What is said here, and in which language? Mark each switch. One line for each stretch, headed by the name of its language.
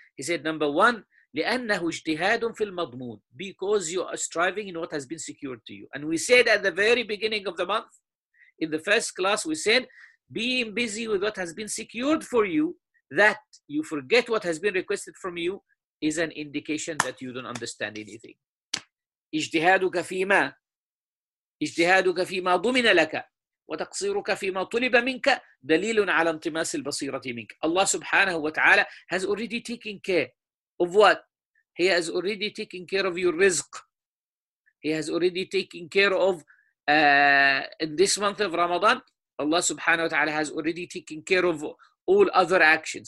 English: He said, number one,
Arabic: لِأَنَّهُ اجْتِهَادٌ فِي الْمَضْمُونِ,
English: because you are striving in what has been secured to you. And we said at the very beginning of the month, in the first class, we said, being busy with what has been secured for you, that you forget what has been requested from you, is an indication that you don't understand anything.
Arabic: اجْتِهَادُكَ فِيمَا اجْتِهَادُكَ فِيمَا ضُمِنَ لَكَ وتقصيرك فيما طلب منك دليل على انطماس البصيرة منك.
English: Allah subhanahu wa ta'ala has already taken care of what? He has already taken care of your rizq. He has already taken care of in this month of Ramadan, Allah subhanahu wa ta'ala has already taken care of all other actions.